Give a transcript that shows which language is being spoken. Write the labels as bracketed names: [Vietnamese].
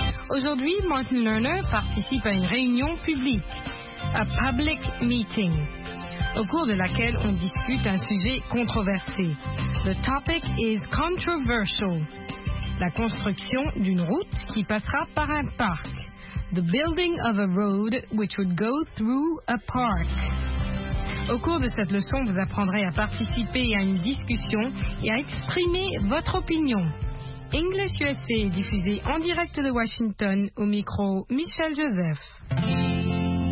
[French] Aujourd'hui, Martin Lerner participe à une réunion publique, a public meeting, au cours de laquelle on discute un sujet controversé. The topic is controversial. La construction d'une route qui passera par un parc. [English] The building of a road which would go through a park. [French] Au cours de cette leçon, vous apprendrez à participer à une discussion et à exprimer votre opinion. English USA est diffusé en direct de Washington au micro Michel Joseph.